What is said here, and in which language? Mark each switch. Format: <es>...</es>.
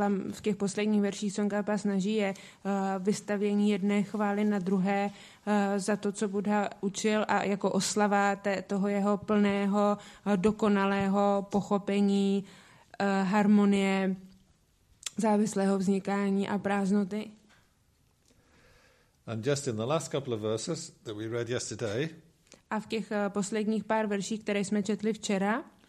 <cs>V těch posledních verších Tsongkhapa snaží je vystavění jedné chvály na druhé za to, co Buddha učil, a jako oslava toho jeho plného, dokonalého pochopení harmonie závislého vznikání a prázdnoty.</cs> <en>And just in the last couple of verses that we read yesterday,</en> <cs>a v těch posledních pár verších, které jsme četli včera,</cs>